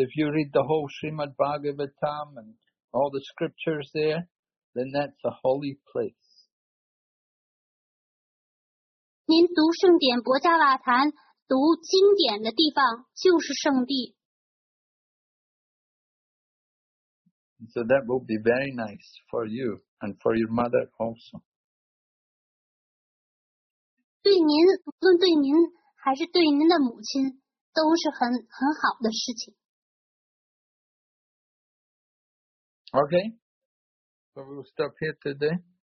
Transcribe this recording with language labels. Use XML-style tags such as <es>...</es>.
<en>if you read the whole Srimad Bhagavatam and all the scriptures there, then that's a holy place.</en> <zh>您读圣典博迦瓦坛。读经典的地方就是圣地。</zh> <en>So that will be very nice for you and for your mother also.</en> <zh>对您，无论对您还是对您的母亲，都是很好的事情。</zh> <en>Okay, so we'll stop here today.</en>